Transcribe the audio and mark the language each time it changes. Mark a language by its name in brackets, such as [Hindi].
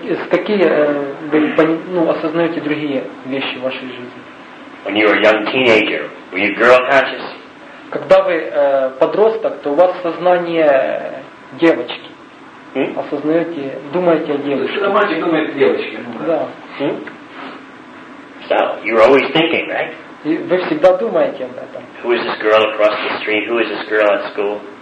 [Russian] Какие вы осознаете другие вещи в вашей жизни? [English] When you were a young teenager, were you girl conscious? [Russian] Когда вы подросток, то у вас сознание девочки. Осознаете, думаете о девочке. Когда мальчик думает о девочке. Да. [English] So, you were always thinking, right? [Russian] И вы всегда думаете об этом. [English] Who is this girl across the street? Who is this girl at school?